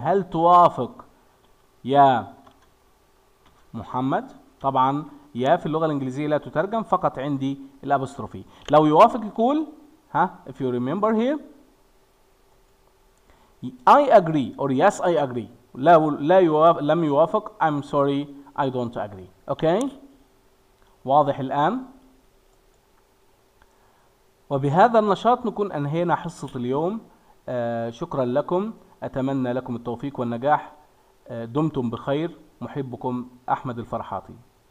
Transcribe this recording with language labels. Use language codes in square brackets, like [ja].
[ar] هل توافق يا محمد؟ طبعا يا في اللغة الإنجليزية لا تترجم، فقط عندي الأبوستروفي. لو يوافق يقول ها، [en] if you remember here I agree or yes I agree. [ar] لم يوافق [en] I'm sorry I don't agree. [ar] Okay؟ واضح الآن؟ وبهذا النشاط نكون أنهينا حصة اليوم. شكرا لكم، أتمنى لكم التوفيق والنجاح. دمتم بخير، محبكم أحمد الفرحاتي.